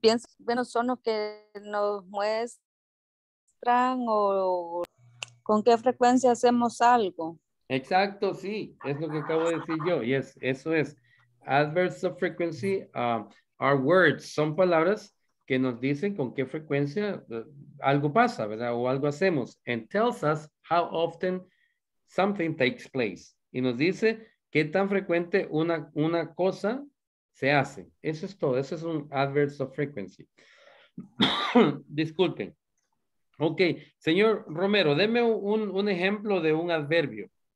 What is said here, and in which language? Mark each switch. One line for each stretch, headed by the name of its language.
Spanish: Piensa, bueno, son los que nos muestran o con qué frecuencia hacemos algo. Exacto, sí. Es lo que acabo de decir yo. Yes, eso es.
English: Adverbs of frequency are words.
Spanish: Son palabras que nos dicen con qué frecuencia algo pasa, ¿verdad? O algo hacemos.
English: And tells us how often something takes place.
Spanish: Y nos dice qué tan frecuente una cosa se hace. Eso es todo. Eso es un adverbs of frequency. Disculpen. Ok. Señor Romero, deme un ejemplo de un adverbio.